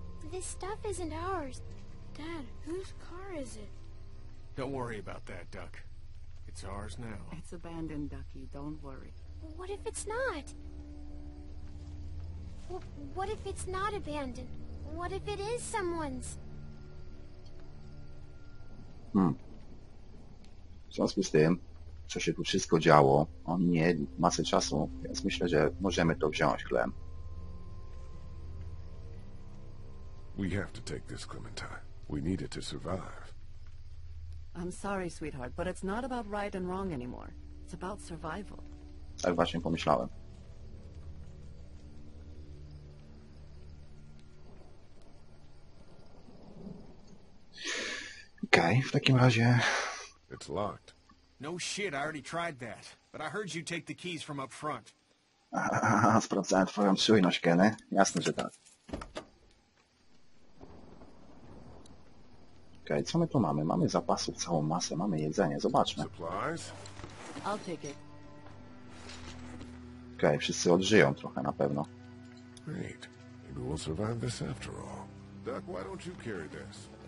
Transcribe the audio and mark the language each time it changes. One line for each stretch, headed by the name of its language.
English: This stuff isn't ours. Dad, whose car is it? Don't worry about that, Duck. It's ours now. It's abandoned, Ducky. Don't worry. What if it's not? What if it's not abandoned? What if it is someone's?
Polish: W związku z tym, co się tu wszystko działo, on nie masę czasu, więc myślę, że możemy to wziąć, Clem.
English: We have to take this, Clementine. We need it to survive. I'm sorry, sweetheart, but it's not about right and wrong anymore. It's about survival.
Polish: Tak właśnie pomyślałem. Okej, w takim razie...
English: It's locked. No shit, I already tried that. But I heard you take the keys from up front.
Polish: Sprawdzałem twoją czujność, Kenny. Jasne, że tak. Okej, co my tu mamy? Mamy zapasów całą masę, mamy jedzenie. Zobaczmy.
English: Supplies? I'll take it.
Polish: Okej, wszyscy odżyją trochę na pewno.
English: Great. Maybe we'll survive this after all. Duck, why don't you carry this?